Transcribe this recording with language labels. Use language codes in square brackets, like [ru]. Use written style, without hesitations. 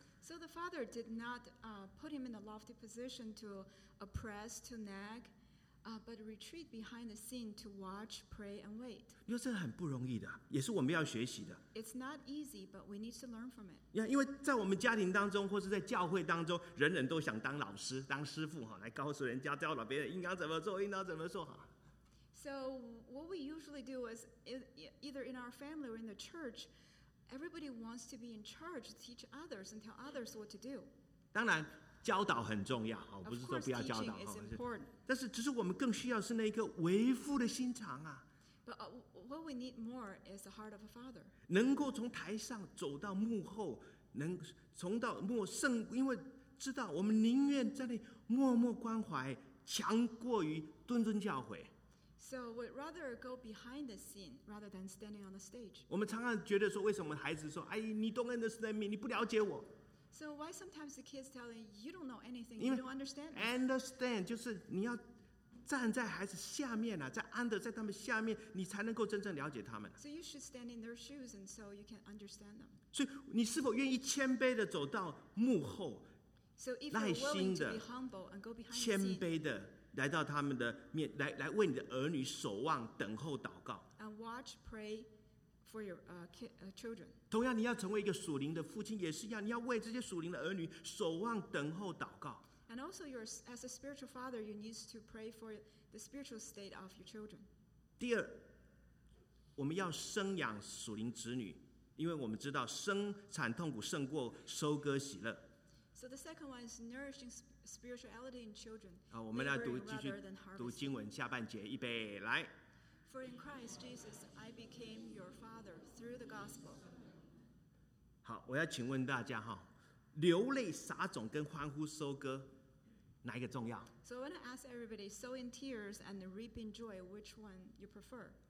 [en] So the father did not put him in a lofty position to oppress, to nag, but retreat behind the scene to watch, pray and wait. [zh] 因为这很不容易的，也是我们要学习的。 [en] It's not easy, but we need to learn from it. [zh] 因为在我们家庭当中或是在教会当中，人人都想当老师当师父，来告诉人家教导别人应该怎么做应该怎么做。 [en] So what we usually do is either in our family or in the church, everybody wants to be in charge, teach others and tell others what to do. [zh] 当然教导很重要，我不是说不要教导，但是只是我们更需要是那一个为父的心肠啊。 [en] But what we need more is the heart of a father. [zh] 能够从台上走到幕后，能从到幕圣，因为知道我们宁愿在那里默默关怀，强过于谆谆教诲。 [en] So we'd rather go behind the scene rather than standing on the stage. [zh] 我们常常觉得说，为什么孩子说，哎，你 [en] don't understand me， [zh] 你不了解我。 [en] So why sometimes the kids tell you you don't know anything, you don't understand? [zh] Understand 就是你要站在孩子下面啊，在 under 在他们下面，你才能够真正了解他们。 [en] So you should stand in their shoes, and so you can understand them. [zh] 所以你是否愿意谦卑的走到幕后？ [en] So if you're willing to be humble and go behind the scenes, [zh] 谦卑的来到他们的面，来为你的儿女守望、等候、祷告。 [en] And watch, pray. For your children. [zh] 同样，你要成为一个属灵的父亲，也是一样，你要为这些属灵的儿女守望、等候、祷告。 [en] And also, your as a spiritual father, you need to pray for the spiritual state of your children. [zh] 第二，我们要生养属灵子女，因为我们知道生产痛苦胜过收割喜乐。 [en] So the second one is nourishing spirituality in children. [zh] 我们来读继续读经文下半节，预备来。 [en] For in Christ Jesus, I became your father through the gospel. [zh] 好，我要请问大家哈，流泪撒种跟欢呼收割，哪一个重要 [en] ？So I want to ask everybody, sow in tears and reap in joy, which one you prefer?